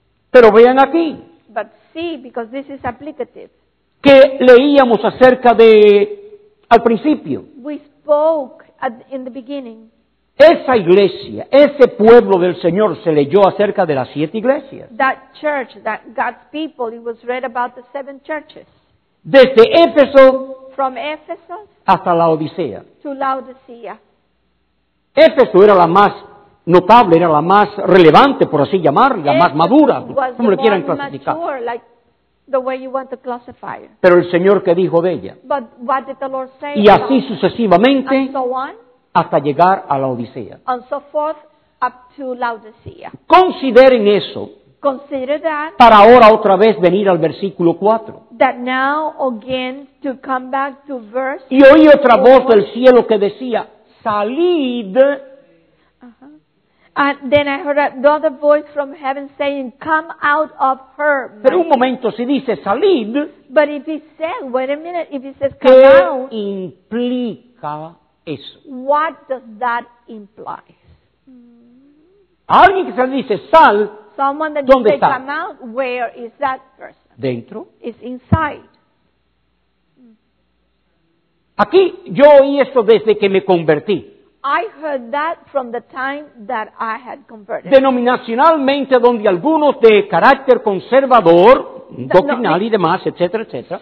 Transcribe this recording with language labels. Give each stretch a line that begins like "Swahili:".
Spanish: pero vean aquí,
English: but see, because this is applicative,
Spanish: que leíamos acerca de al principio.
English: We spoke in the beginning.
Spanish: Esa iglesia, ese pueblo del Señor, se leyó acerca de las 7 iglesias.
English: That church, that God's people, it was read about the 7 churches.
Spanish: Desde Éfeso.
English: From Ephesus.
Spanish: Hasta Laodicea.
English: To Laodicea.
Spanish: Éfeso era la más notable, era la más relevante, por así llamarla, la más madura, como le quieran clasificar.
English: Mature, like the way you want to classify it.
Spanish: Pero el Señor, ¿qué dijo de ella?
English: But what did the Lord say?
Spanish: Y así sucesivamente,
English: and so on,
Spanish: hasta llegar a Laodicea.
English: And so forth up to Laodicea.
Spanish: Consideren eso.
English: Consider that.
Spanish: Para ahora otra vez venir al versículo 4.
English: That now again to come back to verse.
Spanish: Y oí otra voz del cielo que decía, salid.
English: And then I heard another voice from heaven saying, come out of her.
Spanish: Pero un momento, si dice salid,
English: but if he said, wait a minute, if he says come out,
Spanish: ¿qué implica eso?
English: What does that imply?
Spanish: Alguien que se dice sal,
English: someone that
Spanish: ¿dónde
English: say
Spanish: está?
English: Come out, where is that person?
Spanish: Dentro.
English: It's inside.
Spanish: Aquí, yo oí eso desde que me convertí.
English: I heard that from the time that I had converted.
Spanish: Denominacionalmente, donde algunos de carácter conservador, doctrinal y demás, etcétera, etcétera.